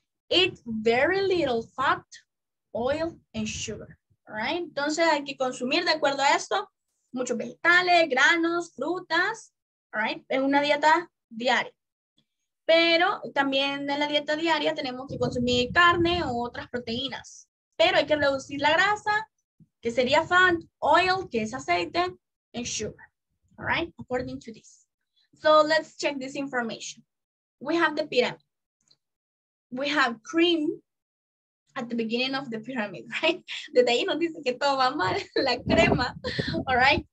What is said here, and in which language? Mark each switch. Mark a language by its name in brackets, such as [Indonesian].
[English] Eat very little fat, oil, and sugar, right? [Spanish] Entonces hay que consumir de acuerdo a esto, muchos vegetales, granos, frutas, right? En una dieta diaria. Pero también en la dieta diaria tenemos que consumir carne u otras proteínas. Pero hay que reducir la grasa, que sería fat, oil, que es aceite, [English] and sugar, all right? According to this. So let's check this information. We have the pyramid. We have cream at the beginning of the pyramid, right? [Spanish] Desde ahí nos dice que todo va mal, la crema, [English] all right?